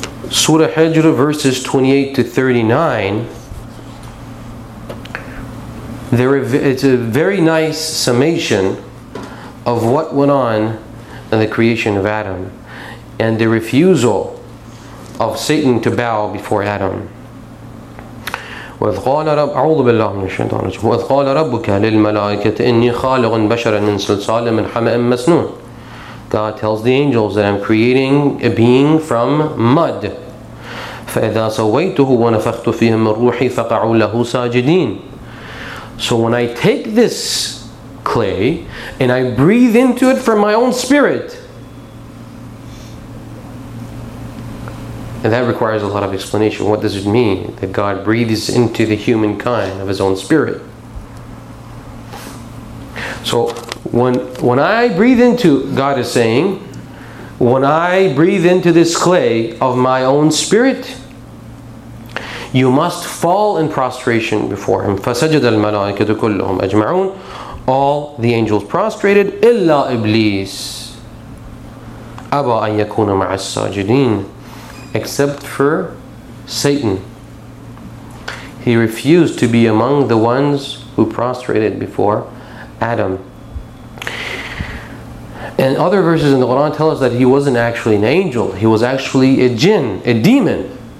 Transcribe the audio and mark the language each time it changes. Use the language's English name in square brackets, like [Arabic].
[English] Surah Hijr, verses 28 to 39. It's a very nice summation of what went on in the creation of Adam and the refusal of Satan to bow before Adam. [Arabic] أعوذ بالله من الشيطان الرجيم. وإذ قال ربك للملائكة إني خالق بشرا من صلصال من حمأ مسنون. [English] God tells the angels that I'm creating a being from mud. [Arabic] فإذا سويته ونفخت فيه من روحي فقعوا له ساجدين. [English] So when I take this clay and I breathe into it from my own spirit, and that requires a lot of explanation. What does it mean that God breathes into the humankind of his own spirit? So when I breathe into, God is saying, when I breathe into this clay of my own spirit, you must fall in prostration before him. [Arabic] فَسَجَدَ الْمَلَائِكَةُ كُلُّهُمْ أَجْمَعُونَ. [English] All the angels prostrated, [Arabic] إِلَّا إِبْلِيسَ أَبَى أَنْ يَكُونَ مَعَ السَّاجِدِينَ. [English] Except for Satan, he refused to be among the ones who prostrated before Adam. And other verses in the Quran tell us that he wasn't actually an angel, he was actually a jinn, a demon.